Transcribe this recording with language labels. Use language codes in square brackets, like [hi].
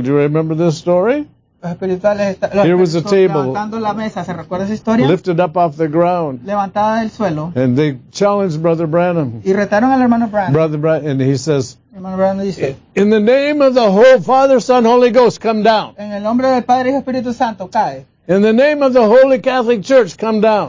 [en] Do you remember this story? Here was a table [es] la mesa. ¿Se recuerda esa historia? [en] Lifted up off the ground. [es] Levantada del suelo. [en] And they challenged Brother Branham. [es] Y retaron al hermano Branham. [en] Brother Branham, and he says, [es] dice, [en] in the name of the whole Father, Son, Holy Ghost, come down. [es] En el nombre del Padre y Espíritu Santo, cae. [en] In the name of the Holy Catholic Church, come down.